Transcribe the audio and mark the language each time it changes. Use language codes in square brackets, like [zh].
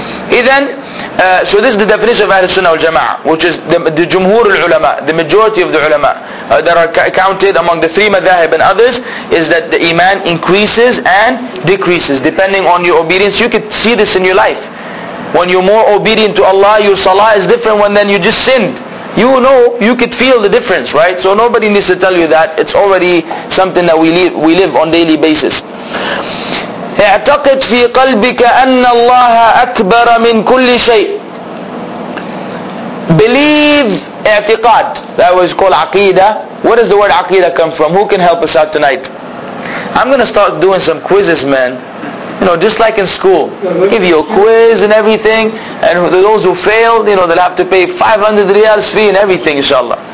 [en] Then, so this is the definition of Ahlul Sunnah wal Jama'ah, which is the Jumhur al Ulama, the majority of the Ulama that are counted among the three Madhahib and others, is that the Iman increases and decreases depending on your obedience. You could see this in your life. When you're more obedient to Allah, your Salah is different when then you just sinned. You know, you could feel the difference, right? So nobody needs to tell you that. It's already something that we live on a daily basis. [ar] اعتقد في قلبك أن الله أكبر من كل شيء. [en] Believe, اعتقاد. That was called عقيدة. Where does the word عقيدة come from? Who can help us out tonight? I'm going to start doing some quizzes, man. You know, just like in school. Give you a quiz and everything. And those who failed, you know, they'll have to pay 500 riyals fee and everything, inshallah.